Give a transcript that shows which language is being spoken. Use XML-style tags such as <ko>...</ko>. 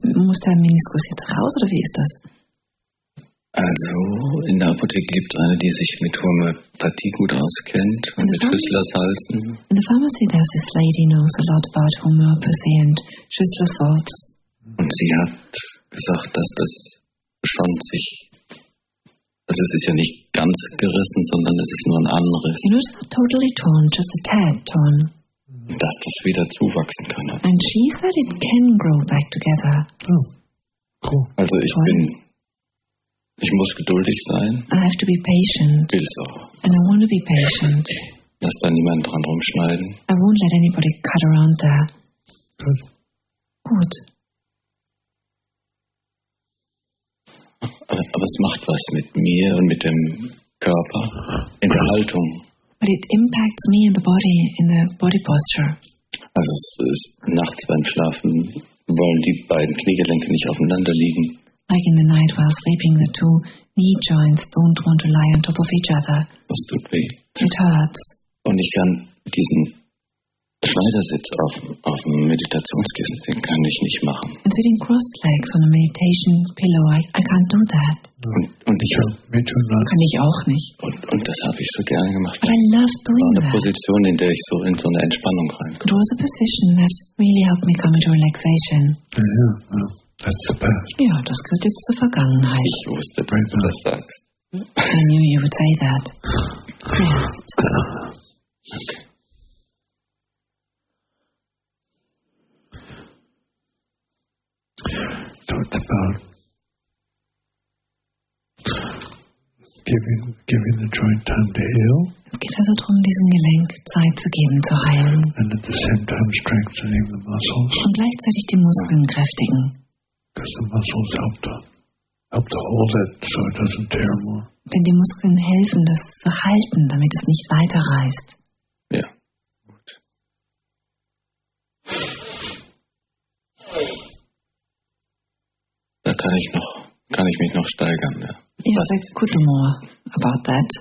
<de>Muss der Meniskus jetzt raus, oder wie ist das? Also, in der Apotheke gibt es eine, die sich mit Homöopathie gut auskennt und mit Schüsslersalzen.</de> <en>In the pharmacy there's this lady knows a lot about homeopathy and Schüsslersalz.</en> <de>Und sie hat gesagt, dass das schon sich, also es ist ja nicht ganz gerissen, sondern es ist nur ein Anriss.</de> <en>You know, it's not totally torn, just a tad torn.</en> <de>Dass das wieder zuwachsen kann.</de> <en>And she said it can grow back together. Oh, cool.</en> <de>Also ich bin... Ich muss geduldig sein.</de> <en>I have to be patient.</en> <de>Will's auch.</de> <en>And I want to be patient.</en> <de>Lass da niemanden dran rumschneiden.</de> <en>I won't let anybody cut around there. Good.</en> <de>Gut. Aber es macht was mit mir und mit dem Körper in der Haltung.</de> <en>But it impacts me in the body posture.</en> <de>Also es ist nachts beim Schlafen, wollen die beiden Kniegelenke nicht aufeinander liegen.</de> <en>Like in the night while sleeping, the two knee joints don't want to lie on top of each other.</en> <de>Das tut weh.</de> <en>It hurts.</en> <de>Und ich kann diesen Schneidersitz auf dem Meditationskissen, den kann ich nicht machen.</de> <en>And sitting cross-legs on a meditation pillow, I can't do that.</en> <de>Und ich auch nicht. Und das habe ich so gerne gemacht.</de> <en>But I love doing that.</en> <de>War eine Position, in der ich so in so eine Entspannung reinkomme.</de> <en>It was a position that really helped me come into relaxation. That's the past.</en> <de>Ja, das gehört jetzt zur Vergangenheit. Ich wusste, dass du das sagst.</de> <en>I knew you would say that. Rest. Okay. So it's about giving the joint time to heal.</en> <de>Es geht also darum, diesem Gelenk Zeit zu geben, zu heilen.</de> <en>And at the same time strengthening the muscles.</en> <de>Und gleichzeitig die Muskeln kräftigen.</de> <en>Because the muscles help to hold it, so it doesn't tear more.</en> <de>Denn die Muskeln helfen, das zu halten, damit es nicht weiterreißt. Ja. Da kann ich mich noch steigern. Ja.</de> <en>Yes, I could do more about that.</en>